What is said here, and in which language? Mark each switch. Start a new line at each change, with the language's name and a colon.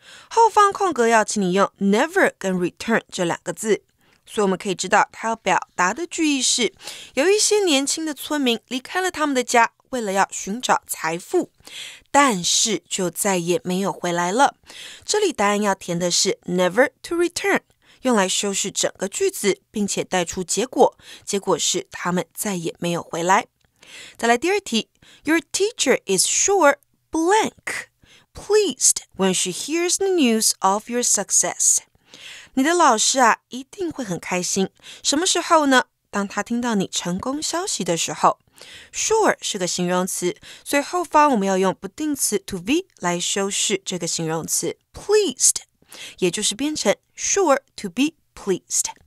Chinese: 后方空格要请你用 never 跟 return 这两个字，所以我们可以知道它要表达的句意是，有一些年轻的村民离开了他们的家。为了要寻找财富，但是就再也没有回来了。这里答案要填的是
English: never to return，
Chinese: 用来修饰整个句子，并且带出结果。结果是他们再也没有回来。再来第二题
English: ，Your teacher is sure blank pleased when she hears the news of your success。
Chinese: 你的老师啊，一定会很开心。什么时候呢？当他听到你成功消息的时候。 Sure 是个形容词，所以后方我们要用不定词 to be 来修饰这个形容词 pleased， 也就是变成
English: sure to be pleased。